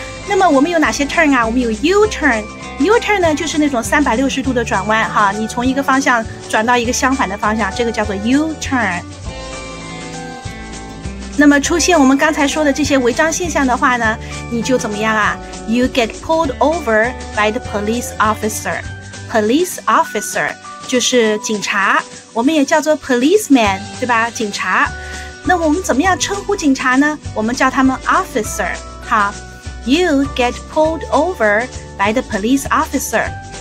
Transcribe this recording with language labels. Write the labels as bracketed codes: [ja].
[zh] 那么我们有哪些 turn 啊？我们有 U-turn， U-turn 呢就是那种360度的转弯，好，你从一个方向转到一个相反的方向，这个叫做 U-turn。那么出现我们刚才说的这些违章现象的话呢，你就怎么样啊？ [en] You get pulled over by the police officer. [zh] Police officer 就是警察，我们也叫做 policeman， 对吧？警察。那我们怎么样称呼警察呢？我们叫他们 officer。 [en] 好， You get pulled over by the police officer.